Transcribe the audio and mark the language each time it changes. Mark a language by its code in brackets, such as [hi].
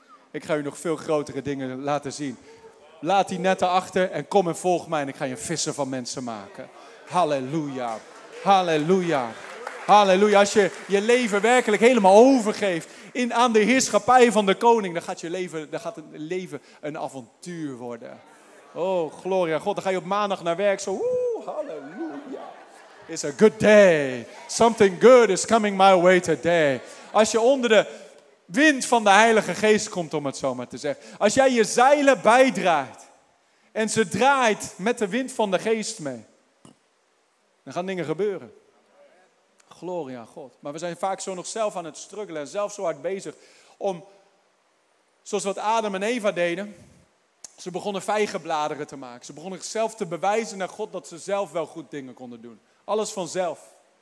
[nl] Ik ga u nog veel grotere dingen laten zien. Laat die netten achter. En kom en volg mij. En ik ga je vissen van mensen maken. Halleluja. Halleluja. Halleluja. Als je je leven werkelijk helemaal overgeeft aan de heerschappij van de koning, dan gaat het leven een avontuur worden. Oh, gloria God. Dan ga je op maandag naar werk zo. [en] Oeh, halleluja. It's a good day. Something good is coming my way today. [nl] Als je onder de wind van de Heilige Geest komt, om het zo maar te zeggen. Als jij je zeilen bijdraait en ze draait met de wind van de Geest mee, dan gaan dingen gebeuren. Gloria aan God. Maar we zijn vaak zo nog zelf aan het struggelen en zelf zo hard bezig om, zoals wat Adam en Eva deden, ze begonnen vijgenbladeren te maken. Ze begonnen zichzelf te bewijzen naar God dat ze zelf wel goed dingen konden doen. Alles vanzelf.